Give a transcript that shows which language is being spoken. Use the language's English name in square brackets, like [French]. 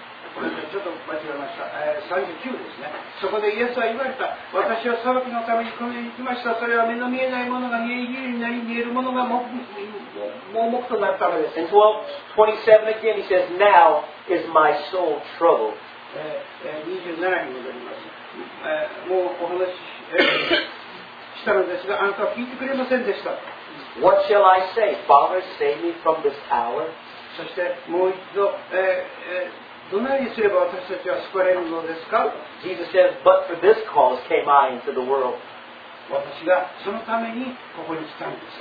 [Japanese] ちょっと間違えました。39ですね。そこでイエスは言われた。私は裁きのために来ました。それは目の見えないものが見えるようになり、見えるものが盲目となったのです。 [English] And 12:27 again, he says, Now is my soul troubled. [Japanese] 27に戻ります。もうお話し。 [English] What shall I say? Father, save me from this hour. [Japanese] そしてもう一度、どのようにすれば私たちは救われるのですか? [English] Jesus says, But for this cause came I into the world. [Japanese] 私がそのためにここに来たんです。